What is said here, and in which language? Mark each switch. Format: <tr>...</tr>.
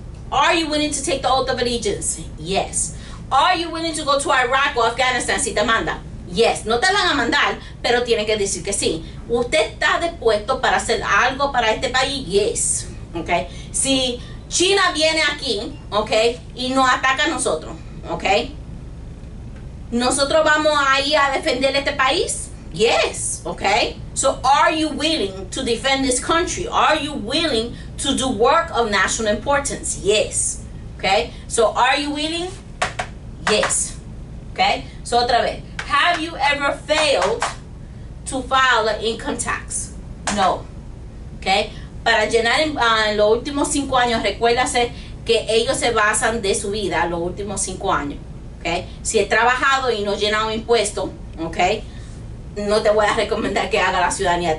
<en>Are you willing to take the oath of allegiance? Yes. Are you willing to go to Iraq or Afghanistan</en> <es>si te mandan?</es> <en>Yes.</en> <es>No te van a mandar, pero tienen que decir que sí. ¿Usted está dispuesto para hacer algo para este país? Yes. Okay. Si China viene aquí, okay, y nos ataca a nosotros, okay, ¿nosotros vamos a ir a defender este país?</es> <en>Yes. Okay. So are you willing to defend this country? Are you willing to do work of national importance? Yes. Okay. So are you willing? Yes. Okay. So</en> <es>otra vez.</es> <en>Have you ever failed to file an income tax? No. Okay.</en> <es>Para llenar en los últimos 5 años, recuérdase que ellos se basan de su vida los últimos 5 años. Okay. Si he trabajado y no he llenado impuesto, okay, no te voy a recomendar que haga la ciudadanía.</es>